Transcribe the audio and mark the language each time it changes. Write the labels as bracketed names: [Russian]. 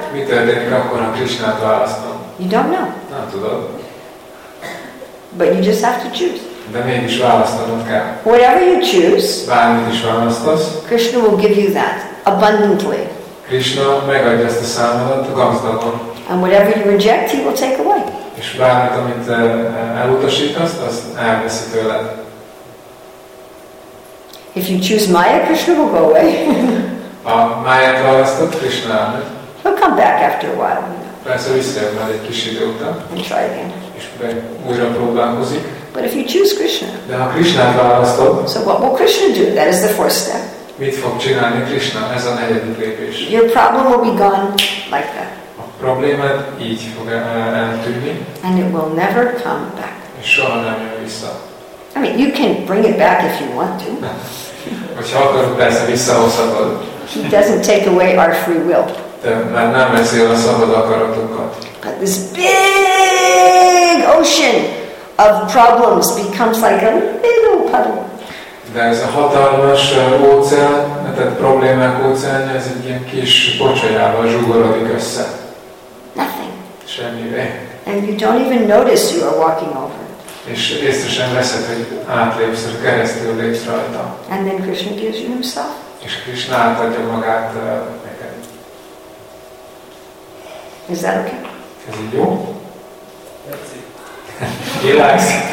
[Hungarian] Mi történik akkor, ha Krishnát választom? [English] You don't know. [Hungarian] Nem tudod. [English] But you just have to choose. [Hungarian] De mégis választanod kell. [English] Whatever you choose, [Hungarian] bármit is választasz, [English] Krishna will give you that abundantly. [Hungarian] Krishna megadja ezt a számodat gazdagon. [English] And whatever you reject, he will take away. [Hungarian] És bármit, amit elutasítasz, az elveszi tőled. [English] If you choose Maya, Krishna will go away. [Hungarian] Ha Maya-t választod, Krishna elmegy. [English] He'll come back after a while. [Hungarian] Persze visszajön már egy kis idő után. [English] And try again. [Hungarian] És újra próbálkozik. [English] But if you choose Krishna. [Hungarian] De ha Krishna-t választod. [English] So what will Krishna do? That is the fourth step. [Hungarian] Mit fog csinálni Krishna? Ez a negyedik lépés. [English] Your problem will be gone like that. [Hungarian] Problémát így fog eltűnni. [English] And it will never come back. [Hungarian] És soha nem jön vissza. [English] I mean, you can bring it back if you want to. [Hungarian] Hogyha akarod, persze visszahozhatod. [English] He doesn't take away our free will. [Hungarian] De már nem veszi el a szabad akaratunkat. [English] But this big ocean of problems becomes like a little puddle. [Hungarian] De ez a hatalmas óceán, tehát problémák óceán, ez egy ilyen kis pocsolyával zsugorodik össze. [English] Nothing. [Hungarian] Semmire. [English] And you don't even notice you are walking over. [Hungarian] És észre sem veszed, hogy átlépsz, keresztül lépsz rajta. [English] And then Krishna gives you himself. [Hungarian] És Krishna átadja magát neked. [English] Is that okay? [Hungarian] Ez így jó? [English] Relax.